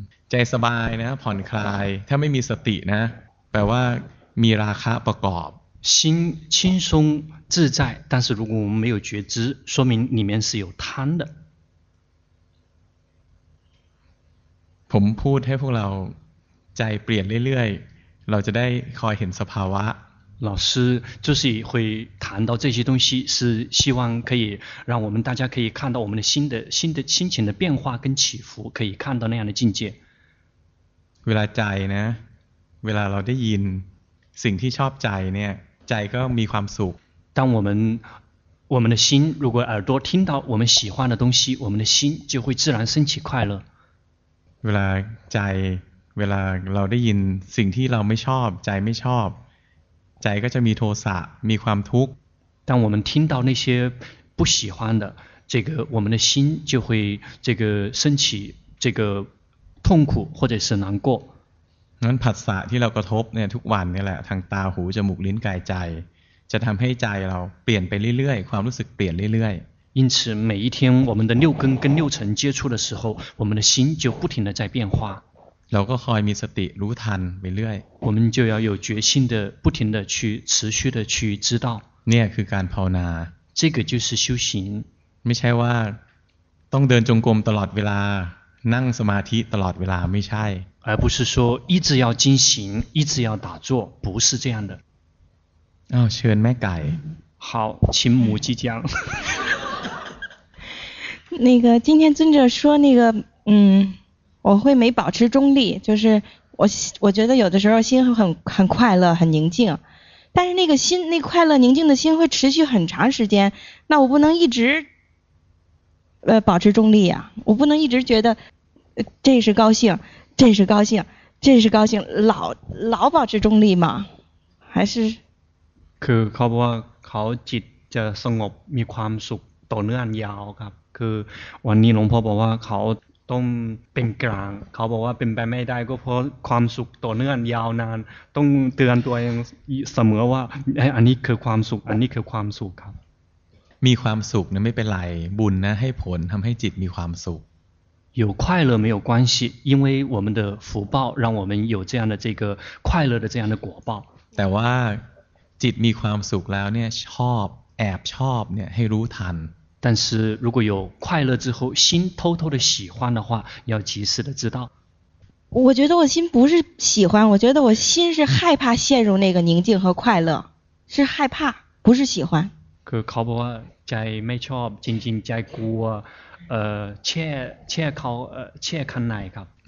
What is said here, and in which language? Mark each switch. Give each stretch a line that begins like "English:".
Thai: ใจสบายนะผ่อนคลายถ้าไม่มีสตินะ แปลว่ามีราคะประกอบ
Chinese: 心轻松自在但是如果我们没有觉知说明里面是有贪的
Thai: ผมพูดให้พวกเราใจเปลี่ยนเรื่อยๆเราจะได้คอยเห็นสภาวะ
Chinese: 老师就是会谈到这些东西是希望可以让我们大家可以看到我们的心的心情的变化跟起伏可以看到那样的境界
Thai: เวลาใจนะเวลาเราได้ยินสิ่งที่ชอบใจเนี่ยใจก็มีความสุข
Chinese: 当我们的心如果耳朵听到我们喜欢的东西我们的心就会自然升起快乐
Thai: เวลาใจเวลาเราได้ยินสิ่งที่เราไม่ชอบใจไม่ชอบใจก็จะมีโทสะมีความทุกข์
Chinese: 当我们听到那些不喜欢的这个我们的心就会这个升起这个痛苦或者是难过
Thai: นั้นผัสสะที่เรากระทบเนี่ยทุกวันนี่แหละทางตาหูจมูกลิ้นกายใจจะทำให้ใจเราเปลี่ยนไปเรื่อยๆความรู้สึกเปลี่ยนเรื่อยๆ
Chinese: 因此每一天我们的六根跟六尘接触的时候我们的心就不停地在变化
Thai: เราก็คอยมีสติรู้ทันไปเรื่อย
Chinese: 我们就要有决心的不停地去持续地去知道
Thai: เนี่ยคือการภาวนา
Chinese: 这个就是修行
Thai: ไม่ใช่ว่าต้องเดินจงกรมตลอดเวลานั่งสมาธิตลอดเวลาไม่ใช่
Chinese: 而不是说一直要进行一直要打坐不是这样的
Thai: อ้าวเชิญแม่ไก่
Chinese: 好请母鸡讲那个今天尊者说那个我会没保持中立就是我觉得有的时候心很快乐很宁静但是那个心那快乐宁静的心会持续很长时间那我不能一直保持中立呀、啊、我不能一直觉得这是高兴这是高兴这是高兴老保持中立吗还是
Thai: คือเขาบอกว่าเขาจิตจะสงบมีความสุขต่อเนื่องยาวครับคือวันนี้หลวงพ่อบอกว่าเขาต้องเป็นกลางเขาบอกว่าเป็นไปไม่ได้ก็เพราะความสุขต่อเนื่องยาวนานต้องเตือนตัวเองเสมอว่าไอ้อันนี้คือความสุขอันนี้คือความสุขครับ มีความสุขเนี่ยไม่เป็นไรบุญนะให้ผลทำให้จิตมีความสุข
Chinese: 有快乐没有关系因为我们的福报让我们有这样的这个快乐的这样的果报
Thai: แต่ว่าจิตมีความสุขแล้วเนี่ยชอบแอบชอบเนี่ยให้รู้ทัน
Chinese: 但是如果有快乐之后心偷偷的喜欢的话要及时的知道我觉得我心不是喜欢我觉得我心是害怕陷入那个宁静和快乐是害怕不是喜欢
Thai: คือเขาบอกว่าใจไม่ชอบจริงจริงใจกลัวแช่แช่เขาแช่ข้างในครับ